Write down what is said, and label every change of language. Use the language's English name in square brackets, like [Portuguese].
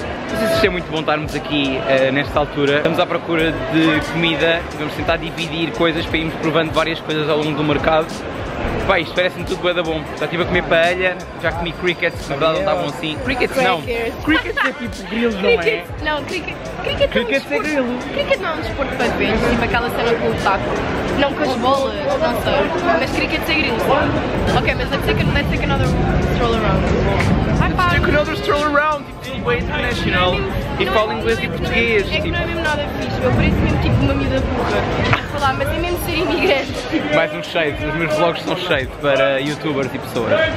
[Portuguese] Não sei se é muito bom estarmos aqui nesta altura. Estamos à procura de comida, vamos tentar dividir coisas para irmos provando várias coisas ao longo do mercado. Bem, isto parece-me tudo bué da bom. Já estive a comer paella, já comi crickets, na verdade não estavam assim. Crickets não! Crickets é tipo grilo, não é? Crickets, não, crickets. Crickets é grilo. Crickets não é um desporto para ver, tipo aquela cena com o taco. Não com as bolas, não sei. Mas crickets é grilo. [English] Ok, [Portuguese] mas [English] let's take another stroll around. Let's take another stroll around! [Portuguese] Tipo, é international. E fala inglês e português. É que não é mesmo nada fixe, eu pareço mesmo tipo uma miúda burra. Lá, mas é mesmo ser imigrante. Mais um shade, os meus vlogs são shade para youtubers e pessoas.